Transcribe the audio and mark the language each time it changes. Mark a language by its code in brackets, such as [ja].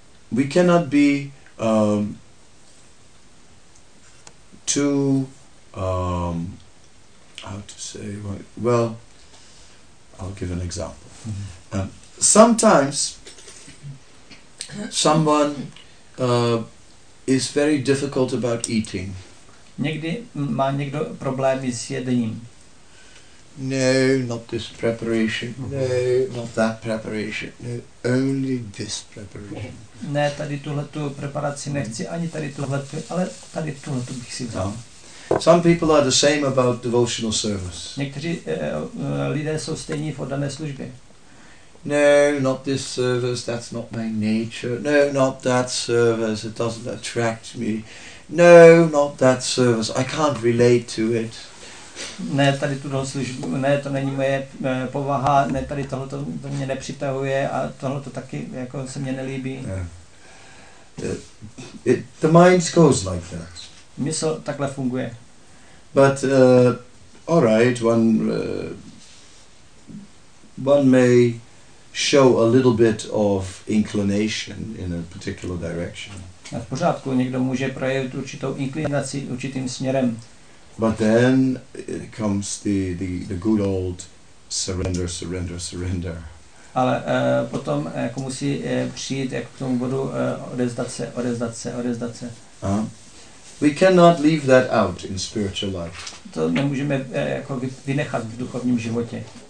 [en] We cannot be too how to say, well, I'll give an example. Mm-hmm. Sometimes someone is very difficult about eating. [cs] Někdy má někdo problémy s jedením. [en] No, not this preparation. No, not that preparation. No, only this preparation. [cs] Ne, tady tuhletu preparaci nechci, ani tady tuhletu, ale tady tuhletu bych si vzal. [en] Some people are the same about devotional service. [cs] Někteří lidé jsou stejní v oddané službě. [en] No, not this service, that's not my nature. No, not that service, it doesn't attract me. No, not that service, I can't relate to it. [cs] Ne, tady tuto službu, ne, to není moje povaha, ne, tady tohleto to mě nepřitahuje a tohleto taky jako se mě nelíbí. [en] Yeah. The mind goes like that. [cs] Mysl takhle funguje. [en] But all right, one may show a little bit of inclination in a particular direction. [cs] A v pořádku, někdo může projevit určitou inklinaci určitým směrem. [en] But then it comes the good old surrender, surrender, surrender. [cs] Ale potom jako musí přijít jak k tomu bodu odezdat se, odezdat se, odezdat se. [en] We cannot leave that out in spiritual life. [cs] To nemůžeme jako vynechat v duchovním životě.